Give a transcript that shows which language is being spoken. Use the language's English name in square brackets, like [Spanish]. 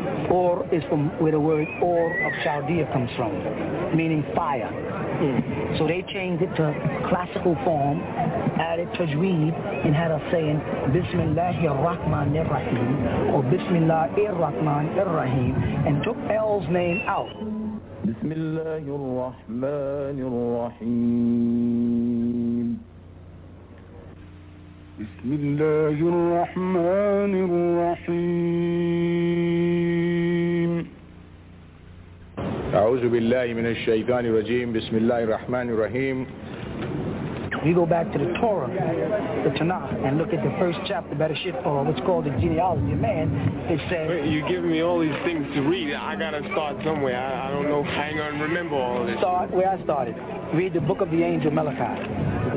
[English] Ur is from where the word Ur of Chaldea comes from, meaning fire. So they changed it to classical form, added tajweed, and had us saying [Arabic] Bismillahir Rahmanir Rahim [English] or [Arabic] Bismillahir Rahmanir Rahim, [English] and took El's name out. [Arabic] بسم الله الرحمن الرحيم بسم الله الرحمن الرحيم أعوذ بالله من الشيطان الرجيم بسم الله الرحمن الرحيم. [English] We go back to the Torah, the Tanakh, and look at the first chapter, Bereshit, what's called the genealogy of man. It says... Wait, you're giving me all these things to read. I got to start somewhere. I don't know. Hang on, remember all this. Start where I started. Read the book of the angel Malachi.